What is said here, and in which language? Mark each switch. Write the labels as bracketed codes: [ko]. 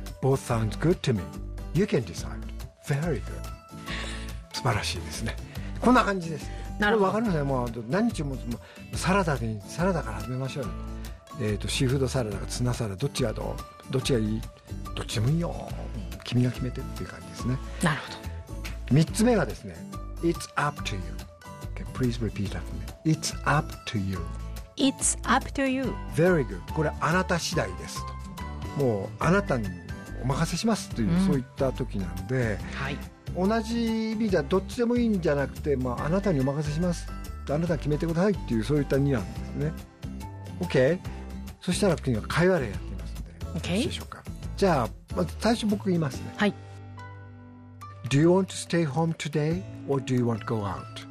[en] Both sounds good to me. You can decide. Very good. [ja] 素晴らしいですね。こんな感じです。なるほど。分かるんですよ。もう何日もサラダで、サラダから始めましょう。シーフードサラダかツナサラダ、どっちがどう？どっちがいい？どっちもいいよ。君が決めてっていう感じですね。なるほど。 3つ目がですね、 [en] It's up to you. Okay, please repeat after me. It's up to you. It's up to you. Very good. [ja] これあなた次第ですと、もうあなたにお任せしますという、そういった時なんで、はい、同じ意味じゃどっちでもいいんじゃなくて、まあ、あなたにお任せします、あなた決めてくださいっていう、そういった意味なんですね。 [en] OK。 [ja] そしたら次は会話例やってみますので、 OK、よろしいでしょうか。じゃあまず最初僕言いますね。はい。 [en] Do you want to stay home today or do you want to go out?